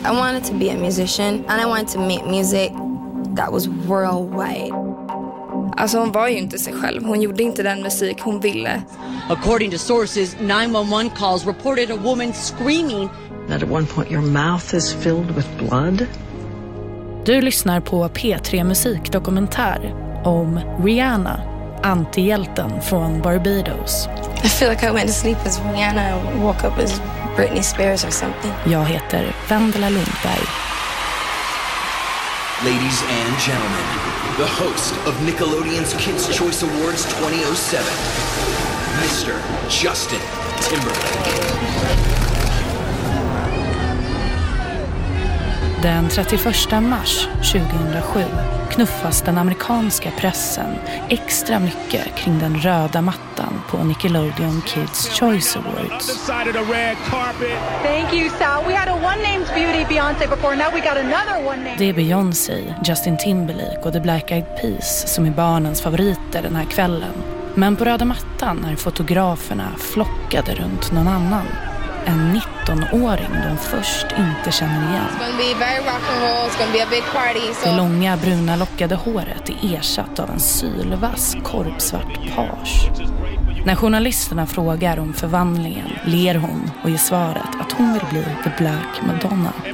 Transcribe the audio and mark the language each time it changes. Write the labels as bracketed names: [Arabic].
[English] I wanted to be a musician and I wanted to make music that was worldwide. [Swedish] Alltså hon var ju inte sig själv. Hon gjorde inte den musik hon ville. [English] According to sources, 911 calls reported a woman screaming that at one point your mouth is filled with blood. [Swedish] Du lyssnar på P3 musikdokumentär om Rihanna, antihjälten från Barbados. [English] I feel like I went to sleep as Rihanna and woke up as Britney Spears or something. [Swedish] Jag heter Vendela Lundberg. [English] Ladies and gentlemen, the host of Nickelodeon's Kids Choice Awards 2007, Mr. Justin Timberlake. [Swedish] Den 31 mars 2007 knuffas den amerikanska pressen extra mycket kring den röda mattan på Nickelodeon Kids Choice Awards. [English] Thank you, Sal. We had a one-named beauty, Beyoncé, before. Now we got another one-named. [Swedish] Det är Beyoncé, Justin Timberlake och The Black Eyed Peas som är barnens favoriter den här kvällen. Men på röda mattan är fotograferna flockade runt någon annan. En 19-åring de först inte känner igen. [English] It's gonna be very rock and roll. It's gonna be a big party. [Swedish] Det långa bruna lockade håret är ersatt av en sylvass korpsvart page. När journalisterna frågar om förvandlingen ler hon och ger svaret att hon vill bli The Black Madonna.